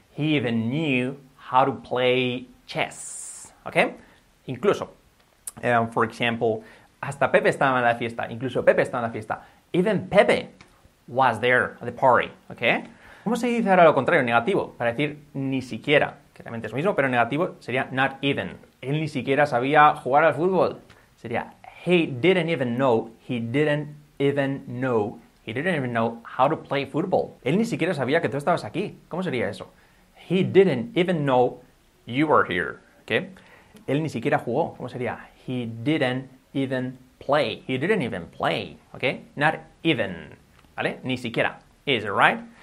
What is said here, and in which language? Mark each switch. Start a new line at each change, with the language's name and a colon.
English: He even knew how to play chess, okay?
Spanish: Incluso,
English: for example,
Spanish: hasta Pepe estaba en la fiesta. Incluso Pepe estaba en la fiesta.
English: Even Pepe was there at the party, okay?
Spanish: ¿Cómo se dice ahora lo contrario, negativo? Para decir ni siquiera, que realmente es lo mismo, pero negativo sería
English: not even.
Spanish: Él ni siquiera sabía jugar al fútbol. Sería
English: he didn't even know, he didn't even know, he didn't even know how to play football.
Spanish: Él ni siquiera sabía que tú estabas aquí. ¿Cómo sería eso?
English: He didn't even know you were here.
Spanish: ¿Okay? Él ni siquiera jugó. ¿Cómo sería?
English: He didn't even play. He didn't even play. ¿Okay? Not even.
Spanish: ¿Vale? Ni siquiera.
English: Is it right?